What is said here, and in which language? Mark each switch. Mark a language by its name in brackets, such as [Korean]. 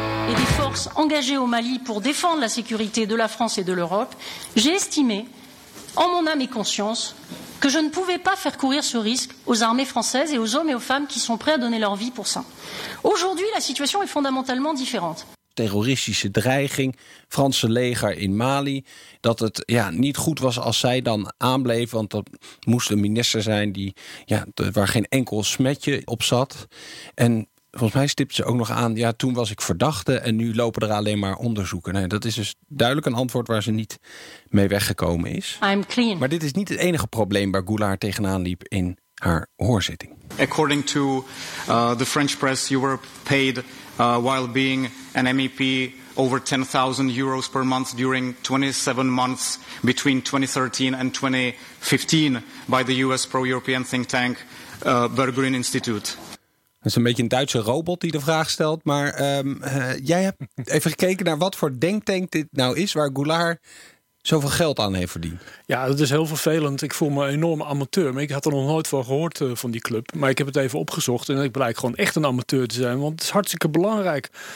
[French] Et des forces engagées au Mali pour défendre la sécurité de la France et de l'Europe, j'ai estimé, en mon âme et conscience, que je ne pouvais pas faire courir ce risque aux armées françaises et aux hommes et aux femmes qui sont prêts à donner leur vie pour ça. Aujourd'hui, la situation est fondamentalement différente. [Dutch] Terroristische dreiging, Franse leger in Mali, dat het ja, niet goed was als zij dan aanbleef, want dat moest een minister zijn die ja, waar geen enkel smetje op zat. En volgens mij stipt ze ook nog aan, ja, toen was ik verdachte en nu lopen er alleen maar onderzoeken. Nee, dat is dus duidelijk een antwoord waar ze niet mee weggekomen is. [English] I'm clean. [Dutch] Maar dit is niet het enige probleem waar Goulard tegenaan liep in haar hoorzitting. [English] According to the French press, you were paid while being an MEP over 10.000 euros per month during 27 months between 2013 and 2015 by the US pro-European think tank Berggruen Institute. [Dutch] Dat is een beetje een Duitse robot die de vraag stelt. Maar jij hebt even gekeken naar wat voor denktank dit nou is waar Goulard zoveel geld aan heeft verdiend. Ja, dat is heel vervelend. Ik voel me een enorme amateur. Maar ik had er nog nooit van gehoord van die club. Maar ik heb het even opgezocht en ik blijk gewoon echt een amateur te zijn. Want het is hartstikke belangrijk.